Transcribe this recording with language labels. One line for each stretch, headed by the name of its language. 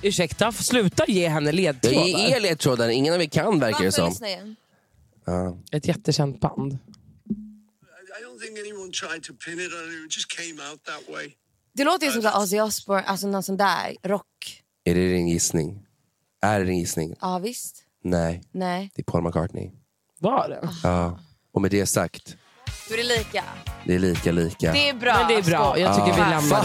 Swedish: Ursäkta, sluta ge henne ledtrådar. Det är ledtrådar, ingen av er kan verkar det som. Ett jättekänt band.
English: I don't think anyone tried to pin it on you. It just came out that way.
Swedish: Det låter ju som Ozzy Osbourne, alltså någon sån där rock. Är det din gissning? Är det din gissning? Ja, visst. Nej. Nej. Det är Paul McCartney. Var det? Ja. Och med det sagt, du är lika. Det är lika. Det är bra. Men det är bra. Jag tycker vi lämnar
English: fucking